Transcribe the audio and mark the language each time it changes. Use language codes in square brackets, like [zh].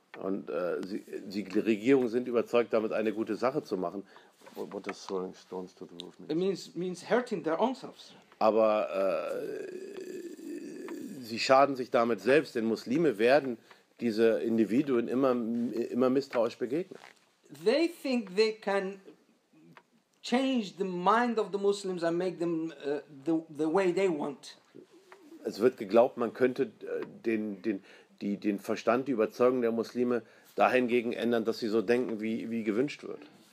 [de] Und die Regierungen sind überzeugt, damit eine gute Sache zu machen. [en] What does throwing stones to the roof mean? It means hurting their own selves. [de] Aber sie schaden sich damit selbst, denn Muslime werden diese Individuen immer misstrauisch begegnen. [en] They think they can change the mind of the Muslims and make them the way they want. [de] Es wird geglaubt, man könnte den Verstand, die Überzeugung der Muslime dahingegen ändern, dass sie so denken, wie gewünscht wird.